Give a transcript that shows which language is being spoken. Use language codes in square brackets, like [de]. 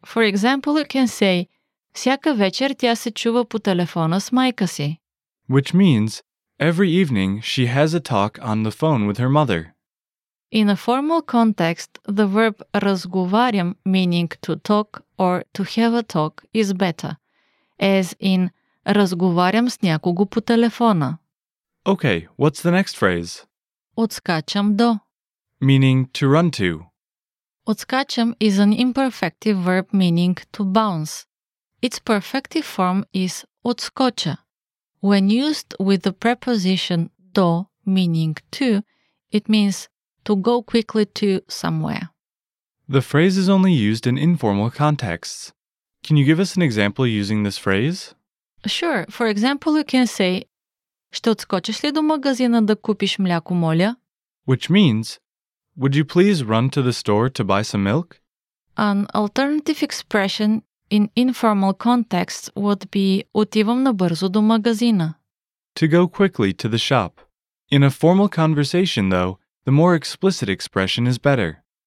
[en] For example, you can say [bg] Всяка вечер тя се чува по телефона с майка си. [en] Which means every evening she has a talk on the phone with her mother. In a formal context, the verb разговарям, meaning to talk or to have a talk, is better. As in [bg] Разговарям с някого по телефона. [en] Okay, what's the next phrase? [bg] Отскачам до. [en] Meaning to run to. Отскачам is an imperfective verb meaning to bounce. Its perfective form is отскоча. When used with the preposition до, meaning to, it means to go quickly to somewhere. The phrase is only used in informal contexts. Can you give us an example using this phrase? Sure. For example, you can say [bg] Ще отскочиш ли до магазина да купиш мляко, моля? [en] Which means Would you please run to the store to buy some milk? An alternative expression in informal contexts would be [bg] Отивам набързо до магазина. [en] To go quickly to the shop. In a formal conversation, though, the more explicit expression is better.